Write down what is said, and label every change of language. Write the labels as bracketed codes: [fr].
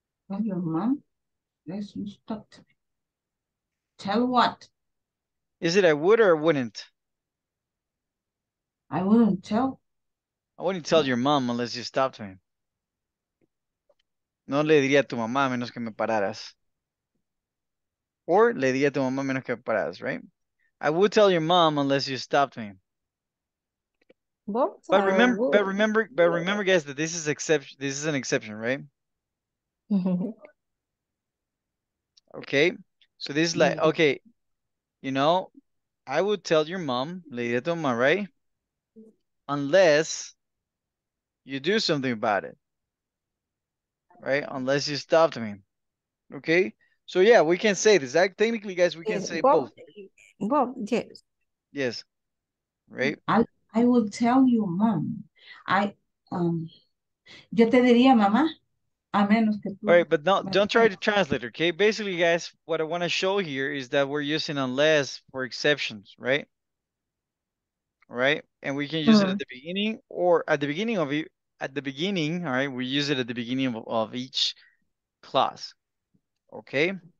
[en] Tell your mom, yes, you stopped me. Tell what? Is it I would or wouldn't? I wouldn't tell. I wouldn't tell your mom unless you stopped me. [es] No le diría a tu mamá a menos que me pararas. Or le diría a tu mamá a menos que me pararas, right? [en] I would tell your mom unless you stopped me. Both but remember but remember but remember guys that this is exception this is an exception right okay so this is like okay you know I would tell your mom right unless you do something about it right unless you stopped me okay so yeah we can say this that technically guys we can say both yes yes right I will tell you, mom. [es] Yo te diría, mamá, a menos que tú. [en] All right, but no, don't try to translate, okay? Basically, guys, what I want to show here is that we're using unless for exceptions, right? All right? And we can use it at the beginning or at the beginning of it, at the beginning, all right? We use it at the beginning of each clause, okay?